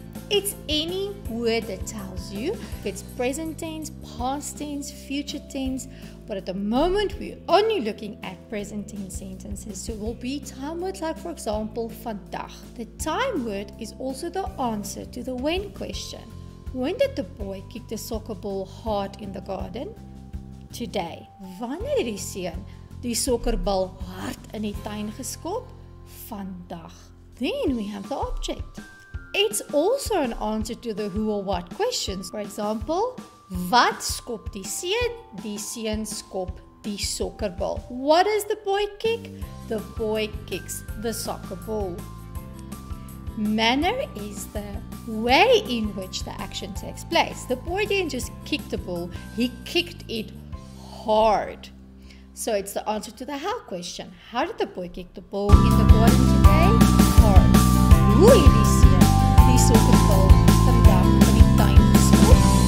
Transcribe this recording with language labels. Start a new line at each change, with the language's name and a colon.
English: It's any word that tells you if it's present tense, past tense, future tense, but at the moment we're only looking at present tense sentences, so it will be time words like, for example, vandag. The time word is also the answer to the when question. When did the boy kick the soccer ball hard in the garden? today.
Afrikaans: Wanneer het die seun die sokkerbal hard in die tuin geskop?
English: Vandag. Then we have the object. It's also an answer to the who or what questions. For example,
Afrikaans: wat skop die seun? Die seun skop die sokkerbal.
English: What does the boy kick? The boy kicks the soccer ball. Manner is the way in which the action takes place. The boy didn't just kick the ball, he kicked it hard. So it's the answer to the how question. How did the boy kick the ball in the garden today? Hard.
Afrikaans: Hoe het die seun die sokkerbal vandag in die tuin geskop?